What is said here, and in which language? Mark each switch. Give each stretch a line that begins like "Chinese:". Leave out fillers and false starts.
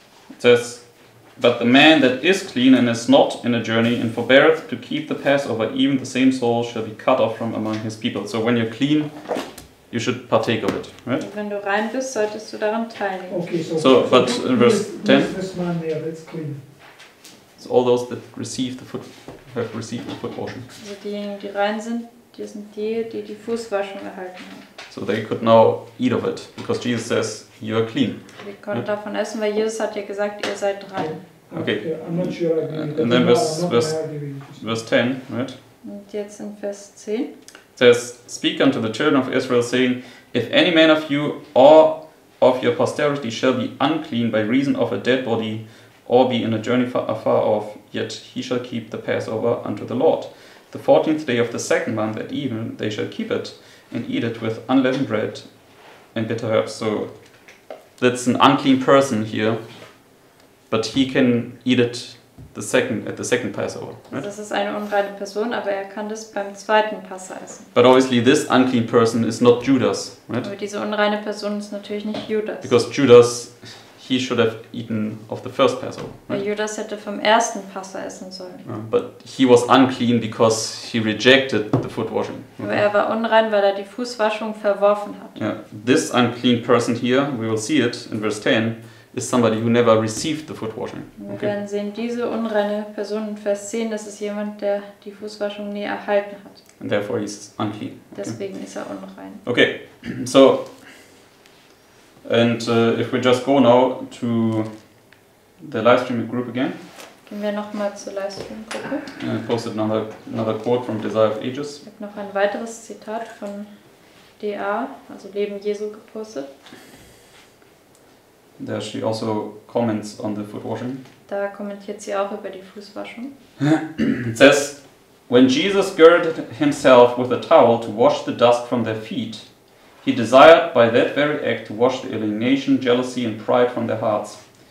English: It says, but the man that is clean and is not in a journey and forbeareth to keep the Passover, even the same soul shall be cut off from among his people. So when you're clean, you should partake of it, right?
German: Wenn du rein bist, solltest du daran teilnehmen.
English: Okay, so verse 10. This man there that's clean. So all those that receive the foot have received the foot washing.
German: Also diejenigen, die rein sind, die sind die, die Fußwaschung erhalten haben.
English: So they could now eat of it, because Jesus says, you are clean.
German: Sie konnten davon essen, weil Jesus hat ja gesagt, ihr seid dran.
English: Okay. I'm not sure I agree. And then verse 10, right?
German: Und jetzt in Vers 10.
English: It says, speak unto the children of Israel, saying, if any man of you or of your posterity shall be unclean by reason of a dead body, or be in a journey afar off, yet he shall keep the Passover unto the Lord. The 14th day of the second month at even, they shall keep it, and eat it with unleavened bread and bitter herbs. So that's an unclean person here, but he can eat it at the second Passover. Right?
German: Das ist eine unreine Person, aber er kann das beim zweiten Passa essen.
English: But obviously this unclean person is not Judas. Right?
German: Aber diese unreine Person ist natürlich nicht Judas.
English: Because Judas, he should have eaten of the first Passover. Right?
German: Weil Judas hätte vom ersten Passa essen sollen.
English: But he was unclean because he rejected the foot washing. Okay.
German: Aber er war unrein, weil er die Fußwaschung verworfen hat.
English: Yeah. This unclean person here, we will see it in verse 10, is somebody who never received the foot washing. Okay.
German: Wir werden sehen, diese unreine Person in Vers 10, das ist jemand, der die Fußwaschung nie erhalten hat.
English: And therefore he's unclean.
German: Okay. Deswegen ist er unrein.
English: Okay, so, and if we just go now to the livestreaming group again.
German: Gehen wir nochmal zur Livestream-Gruppe.
English: I posted another quote from Desire of Ages.
German: Ich habe noch ein weiteres Zitat von DA, also Leben Jesu, gepostet.
English: There she also comments on the foot washing.
German: Da kommentiert sie auch über die Fußwaschung.
English: It says, when Jesus girded himself with a towel to wash the dust from their feet, he desired by that very act to wash the alienation, jealousy and pride from their hearts.